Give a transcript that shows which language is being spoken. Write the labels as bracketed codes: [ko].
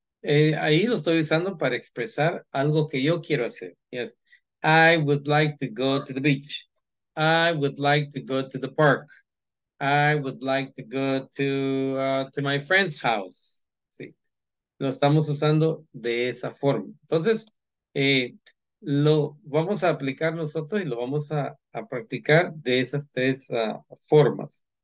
[es] Ahí lo estoy usando para expresar algo que yo quiero hacer. [en] Yes. I would like to go to the beach. I would like to go to the park. I would like to go to my friend's house. [es] Sí. Lo estamos usando de esa forma. Entonces, lo vamos a aplicar nosotros y lo vamos a practicar de esas tres formas.